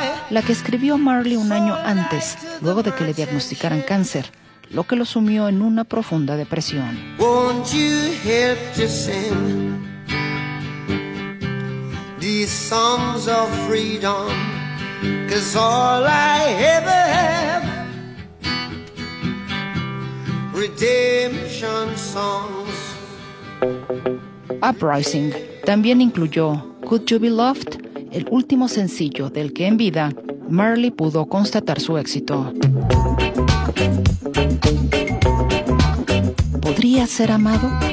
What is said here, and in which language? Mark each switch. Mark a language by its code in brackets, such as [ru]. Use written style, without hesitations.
[es] La que escribió Marley un año antes, luego de que le diagnosticaran cáncer, lo que lo sumió en una profunda depresión. [en] Won't you help to sing these songs of freedom? 'Cause all I ever have, redemption songs. [es] Uprising también incluyó Could You Be Loved, el último sencillo del que en vida Marley pudo constatar su éxito. ¿Podría ser amado?